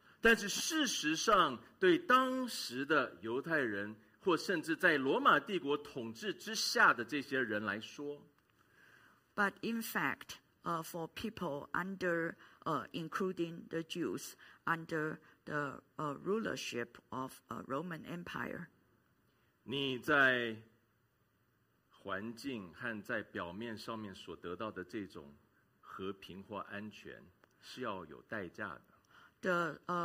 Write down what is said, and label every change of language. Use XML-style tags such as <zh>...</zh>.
<zh>但是事实上，对当时的犹太人，或甚至在罗马帝国统治之下的这些人来说</zh> <en>，But in fact, for people under, including the Jews under the rulership of Roman Empire.</en> <zh>你在环境和在表面上面所得到的这种和平或安全是要有代价的。</zh>